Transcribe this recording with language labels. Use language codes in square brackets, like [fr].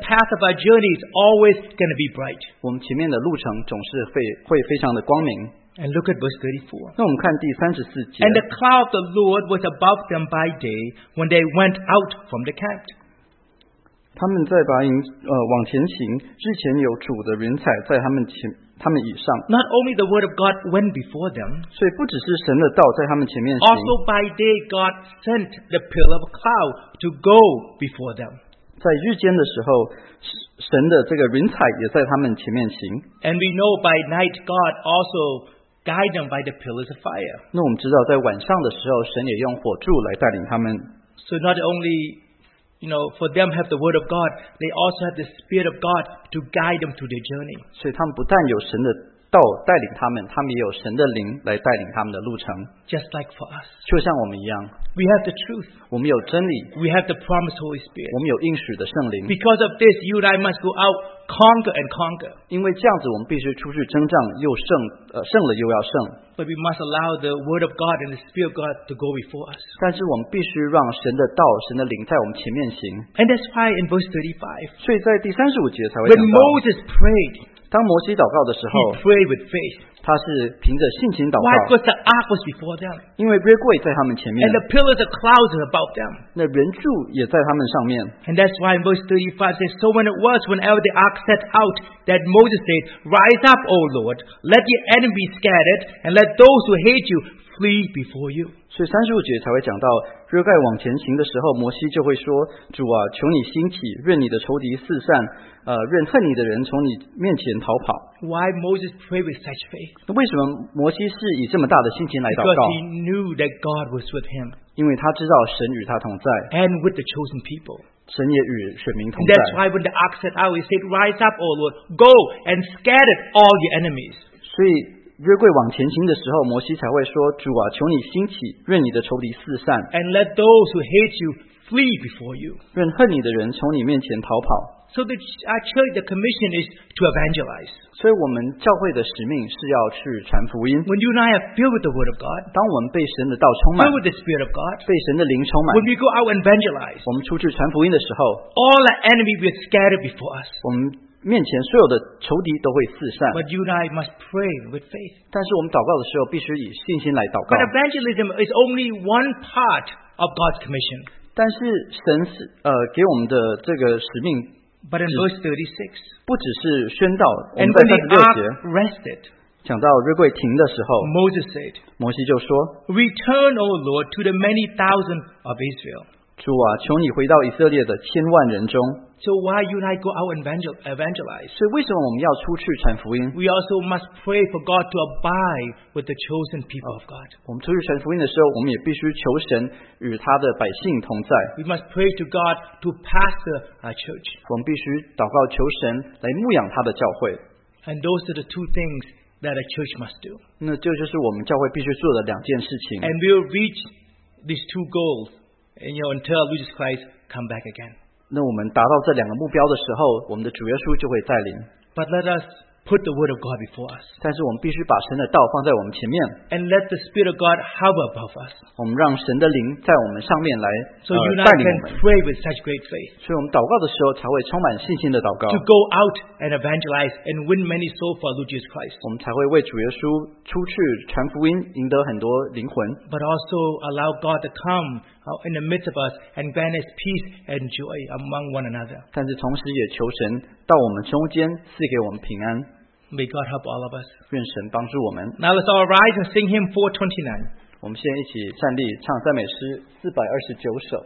[en] The path of our journey is always going to be bright. [zh] 我们前面的路程总是 会非常的光明。 [en] And look at verse 34. [zh] 那我们看第34节。 [en] And the cloud of the Lord was above them by day when they went out from the camp. [zh] 他们在把营往前行，日前有主的云彩在他们前。他们以上 [en] Not only the word of God went before them, [zh] 所以不只是神的道在他们前面行 [en] Also by day God sent the pillar of cloud to go before them. [zh] 在日间的时候神的这个云彩也在他们前面行 [en] And we know by night God also guided them by the pillars of fire. [zh] 那我们知道在晚上的时候神也用火柱来带领他们 [en] So not onlyYou know, for them have the word of God, they also have the spirit of God to guide them through their journey. [zh] 所以他们不但有神的道带领他们，他们也有神的灵来带领他们的路程。 [en] Just like for us. [zh] 就像我们一样。 [en] We have the truth. [zh] 我们有真理。 [en] We have the promised Holy Spirit. [zh] 我们有应许的圣灵。 [en] Because of this, you and I must go out, conquer and conquer. [zh] 因为这样子我们必须出去征战，又胜，胜了又要胜。 [en] But we must allow the word of God and the spirit of God to go before us. [zh] 但是我们必须让神的道、神的灵在我们前面行。 [en] And that's why in verse 35. [zh] 所以在第三十五节才会讲到。 [en] When Moses prayed, [zh] 当摩西祷告的时候 [en] he prayed with faith. [zh] 他是凭着信心祷告。 [en] Why? Because the ark was before them. [zh] 因为约柜在他们前面。 [en] And the pillars of clouds are above them. [zh] 那云柱也在他们上面。 [en] And that's why in verse 35 says, So when it was, whenever the ark set out, that Moses said, Rise up, O Lord, let your enemy be scattered, and let those who hate you flee before you. [zh] 所以三十五节才会讲到约柜往前行的时候摩西就会说主啊求你兴起愿你的仇敌四散愿恨你的人从你面前逃跑。 [en] Why Moses prayed with such faith? [zh] 为什么摩西是以这么大的心情来祷告 [en] Because he knew that God was with him. [zh] 因为他知道神与他同在。 [en] And with the chosen people. [zh] 神也与选民同在。 [en] That's why when the ark set out, he said, "Rise up, O Lord, go and scatter all your enemies." [zh] 所以约柜往前行的时候，摩西才会说：“主啊，求你兴起，愿你的仇敌四散。” [en] And let those who hate you flee before you. [zh] 愿恨你的人从你面前逃跑。 [en] So the actually the commission is to evangelize. [zh] 所以我们教会的使命是要去传福音。 [en] When you and I are filled with the word of God, [zh] 当我们被神的道充满 [en] filled with the spirit of God, [zh] 被神的灵充满 [en] when we go out and evangelize, [zh] 我们出去传福音的时候 [en] all the enemy will be scattered before us. [zh] 我们面前所有的仇敌都会四散。 [en] But you and I must pray with faith. [zh] 但是我们祷告的时候必须以信心来祷告。 [en] But evangelism is only one part of God's commission. [zh] 但是神给我们的这个使命。 [en] But in verse 36, [zh] 不只是宣道。 [en] And when the ark rested, [zh] 讲到日柜停的时候， [en] Moses said, [zh] 摩西就说， [en] Return, O Lord, to the many thousand of Israel. [zh] 主啊，求你回到以色列的千万人中。 [en] So why you and I go out and evangelize? [zh] 所以为什么我们要出去传福音？ [en] We also must pray for God to abide with the chosen people of God. [zh] 我们出去传福音的时候，我们也必须求神与他的百姓同在。 [en] We must pray to God to pastor our church. [zh] 我们必须祷告求神来牧养他的教会。 [en] And those are the two things that a church must do. [zh] 那这就是我们教会必须做的两件事情。 [en] And we'll reach these two goals, and you know, until Jesus Christ come back again. [zh] 那我们达到这两个目标的时候，我们的主耶稣就会带领。 [en] But let us put the word of God before us. [zh] 但是我们必须把神的道放在我们前面。 [en] And let the Spirit of God hover above us. [zh] 我们让神的灵在我们上面来带领我们。 [en] So you and I can pray with such great faith. [zh] 所以我们祷告的时候才会充满信心的祷告。 [en] To go out and evangelize and win many souls for Jesus Christ. [zh] 我们才会为主耶稣出去传福音，赢得很多灵魂。 [en] But also allow God to come. In the midst of us and grant us peace and joy among one another. [zh] 但是同时也求神到我们中间赐给我们平安。 [en] May God help all of us. [zh] 愿神帮助我们。 [en] Now let's all rise and sing hymn 429. [zh] 我们先一起站立唱赞美诗429首。